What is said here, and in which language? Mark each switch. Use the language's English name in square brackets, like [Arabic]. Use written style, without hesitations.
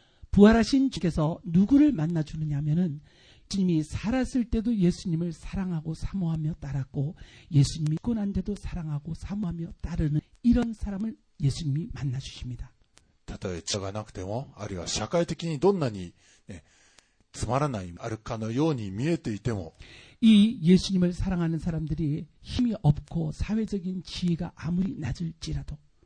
[Korean] 부활하신 주께서 누구를 만나주느냐면은 주님이 살았을 때도 예수님을 사랑하고 사모하며 따랐고 예수님 믿고 난 데도 사랑하고 사모하며 따르는 이런 사람을 예수님이 만나주십니다. [Japanese] 例えば、社会的にどんなにつまらない、あるかのように見えていても [Korean] 이 예수님을 사랑하는 사람들이 힘이 없고 사회적인 지위가 아무리 낮을지라도